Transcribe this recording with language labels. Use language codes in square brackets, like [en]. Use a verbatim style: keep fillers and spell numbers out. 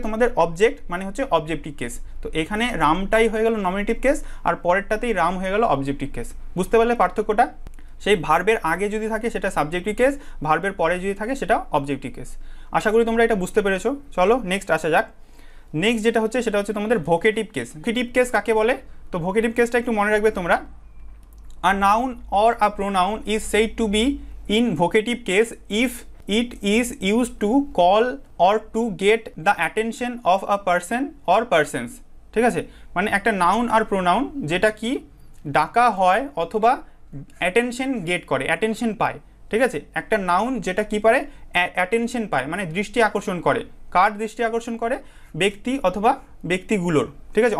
[bn] তোমাদের অবজেক্ট মানে হচ্ছে অবজেক্টিভ কেস। তো এখানে রামটাই হয়ে গেল নমিনেটিভ কেস, আর পরেরটাতেই রাম হয়ে গেল অবজেক্টিভ কেস। বুঝতে পারলে পার্থক্যটা? সেই ভার্বের আগে যদি থাকে সেটা সাবজেক্টিভ কেস, ভার্বের পরে যদি থাকে সেটা অবজেক্টিভ কেস। আশা করি তোমরা এটা বুঝতে পেরেছো। চলো নেক্সট আসা যাক। নেক্সট যেটা হচ্ছে সেটা হচ্ছে তোমাদের ভোকেটিভ কেস। ভোকেটিভ কেস কাকে বলে? তো ভোকেটিভ কেসটা একটু মনে রাখবে তোমরা। [en] A noun or a pronoun is said to be in vocative case if it is used to call or to get the attention of a person or persons. [bn] ঠিক আছে। মানে একটা নাউন আর প্রোনাউন যেটা কি ডাকা হয় অথবা অ্যাটেনশন গেট করে, অ্যাটেনশন পায়, ঠিক আছে। একটা নাউন যেটা কি পারে অ্যাটেনশন পায়, মানে দৃষ্টি আকর্ষণ করে। কার দৃষ্টি আকর্ষণ করে? ব্যক্তি অথবা ব্যক্তিগুলোর, ঠিক আছে।